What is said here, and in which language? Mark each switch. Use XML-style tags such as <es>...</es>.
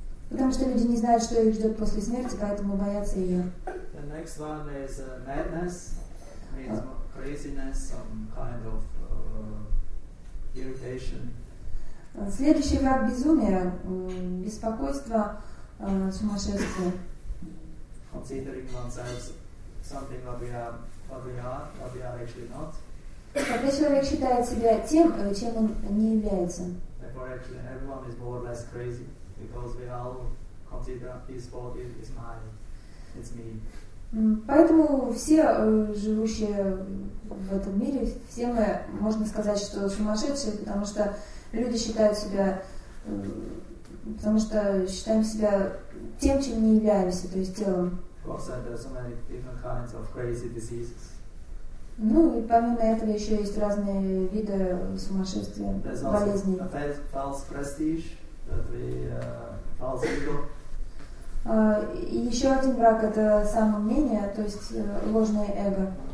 <ru>Потому что люди не знают, что их ждет после смерти, поэтому боятся ее.</ru> <en>The next one is madness, means craziness, some kind of irritation.</en> <ru>Следующий враг — безумия, беспокойство, сумасшествие.</ru> <en>Considering oneself something what we are actually not.</en> <ru>Когда человек считает себя тем, чем он не является.</ru> <en>Therefore, actually, everyone is more or less crazy, because we all consider his body is mine, it's me.</en> <ru>Поэтому все живущие в этом мире, все мы, можно сказать, что сумасшедшие, потому что люди считают себя, потому что считаем себя тем, чем не являемся, то есть телом.</ru> <en>Of course, there are so many different kinds of crazy diseases.</en> <ru>Ну и помимо этого еще есть разные виды сумасшествия, болезней.</ru> <en>There's also false prestige, that we false ego.</en> <ru>И еще один враг — это самомнение, то есть ложное эго.</ru>